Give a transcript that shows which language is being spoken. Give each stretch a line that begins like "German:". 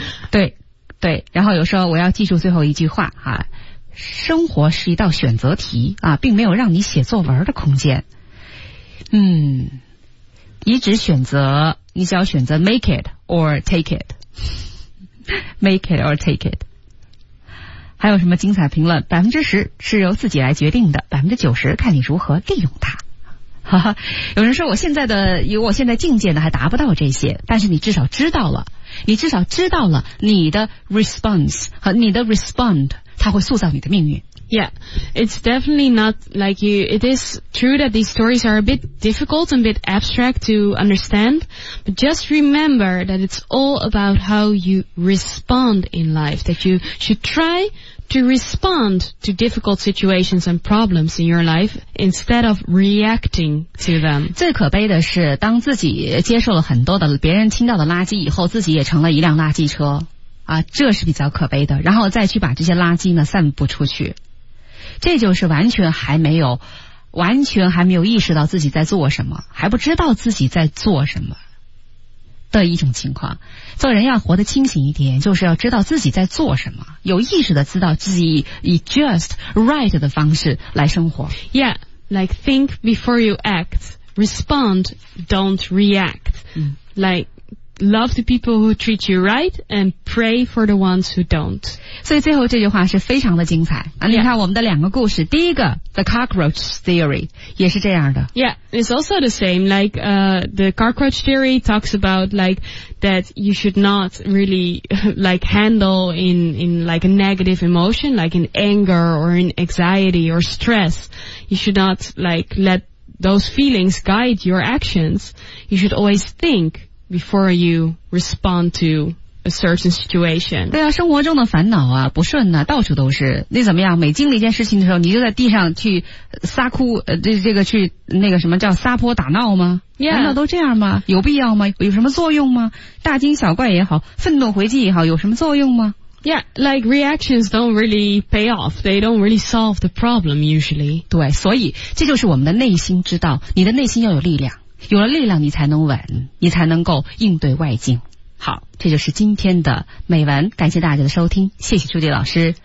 Chinese: 对对，然后有时候我要记住最后一句话啊，生活是一道选择题啊，并没有让你写作文的空间。你只选择，你只要选择
English: make it or take it，
Chinese: make it or take it。还有什么精彩评论？ 10%是由自己来决定的，90%看你如何利用它。有人说我现在境界呢还达不到这些，但是你至少知道了你的 response 和你的 respond 它会塑造你的命运。
English: Yeah, it's definitely not like you, it is true that these stories are a bit difficult and a bit abstract to understand, but just remember that it's all about how you respond in life, that you should try to respond to difficult situations and problems in your life instead of reacting to them.
Chinese: 最可悲的是当自己接受了很多的别人倾倒的垃圾以后，自己也成了一辆垃圾车啊，这是比较可悲的，然后再去把这些垃圾呢散布出去，这就是完全还没有意识到自己在做什么，还不知道自己在做什么的一种情况。做人要活得清醒一点，就是要知道自己在做什么，有意识的知道自己以
English: just right
Chinese: 的方式来生活。
English: Yeah, like think before you act, respond, don't react. Like love the people who treat you right and pray for the ones who don't.
Chinese: 所以最后这句话是非常的精彩。你看我们的两个故事，第一个 The Cockroach Theory 也是这样的。
English: Yeah, it's also the same. Like, the Cockroach Theory talks about like that you should not really like handle in like a negative emotion, like in anger or in anxiety or stress. You should not like let those feelings guide your actions. You should always think before you respond to certain situation.
Chinese: 对啊，生活中的烦恼啊，不顺啊，到处都是。你怎么样？每经历一件事情的时候，你就在地上去撒哭，这个去那个什么叫撒泼打闹吗？
English: Yeah.
Chinese: 难道都这样吗？有必要吗？有什么作用吗？大惊小怪也好，愤怒回击也好，有什么作用吗？
English: Yeah, like reactions don't really pay off. They don't really solve the problem usually.
Chinese: 对，所以这就是我们的内心之道。你的内心要有力量，有了力量你才能稳，你才能够应对外境。好，这就是今天的美文，感谢大家的收听，谢谢朱迪老师。